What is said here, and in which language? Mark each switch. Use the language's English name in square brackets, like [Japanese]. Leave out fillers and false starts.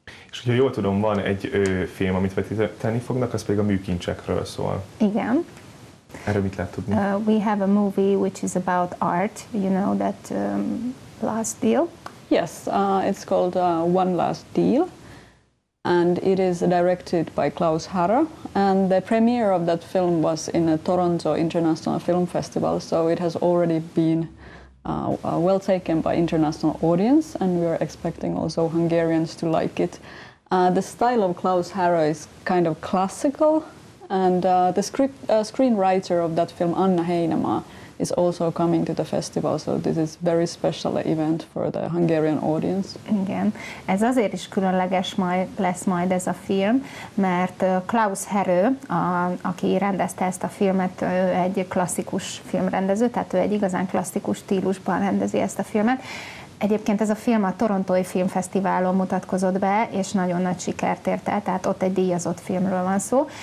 [Hungarian] És hogyha jól tudom, van egy film, amit vetíteni fognak, az pedig a műkincsekről szól. Igen. Erről mit lehet tudni? [English] We have a movie which is about art, you know, that last deal? Yes, it's called One Last Deal, and it is directed by Klaus Harrer, and the premiere of that film was in a Toronto International Film Festival, so it has already been well taken by international audience, and we are expecting also Hungarians to like it. The style of Klaus Harrer is kind of classical, and the screenwriter of that film, Anna Heinema, is also coming to the festival, so this is very special event for the Hungarian audience. [Hungarian] Igen, ez azért is különleges lesz majd ez a film, mert Klaus Harrer, aki rendezte ezt a filmet, ő egy klasszikus filmrendező, tehát ő egy igazán klasszikus stílusban rendezi ezt a filmet. Egyébként ez a film a Torontói Filmfesztiválon mutatkozott be, és nagyon nagy sikert ért el, tehát ott egy díjazott filmről van szó.